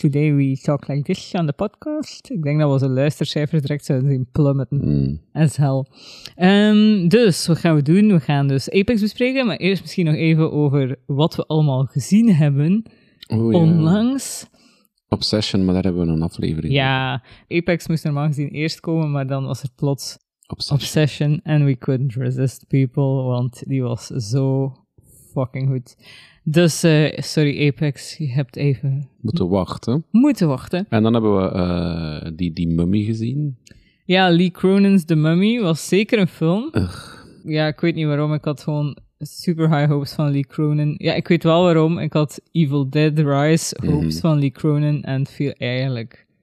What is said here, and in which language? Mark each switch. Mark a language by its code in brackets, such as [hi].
[en] Today we talk like this on the podcast. [nl] Ik denk dat we onze luistercijfers direct zouden zien plummeten. [en] As hell. [nl] Dus, wat gaan we doen? We gaan dus Apex bespreken. Maar eerst misschien nog even over wat we allemaal gezien hebben. Oh, onlangs. Ja. Obsession, maar daar hebben we een aflevering. Ja, Apex moest normaal gezien eerst komen, maar dan was er plots... Obsession, [en] and we couldn't resist people, [nl] want die was zo fucking goed. Dus, sorry Apex, je hebt even... Moeten wachten. Moeten wachten. En dan hebben we die mummy gezien. Ja, Lee Cronin's The Mummy was zeker een film. Ugh. Ja, ik weet niet waarom, ik had gewoon super high hopes van Lee Cronin. Ja, ik weet wel waarom, ik had Evil Dead Rise hopes van Lee Cronin en viel eigenlijk...